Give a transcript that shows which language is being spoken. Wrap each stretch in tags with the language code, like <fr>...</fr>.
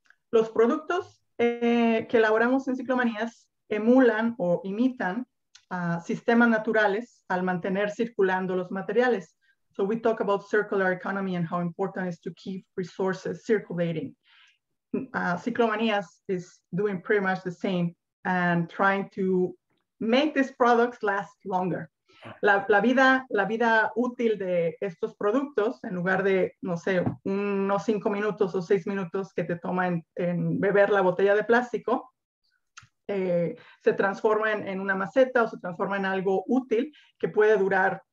<es>Los productos que elaboramos en Ciclomanías emulan o imitan sistemas naturales al mantener circulando los materiales.</es> <en>So we talk about circular economy and how important it is to keep resources circulating. Ciclomanías is doing pretty much the same and trying to make these products last longer.</en> <es>La vida útil de estos productos, en lugar de, no sé, unos 5 minutos o 6 minutos que te toma en beber la botella de plástico, se transforma en una maceta o se transforma en algo útil que puede durar.</es>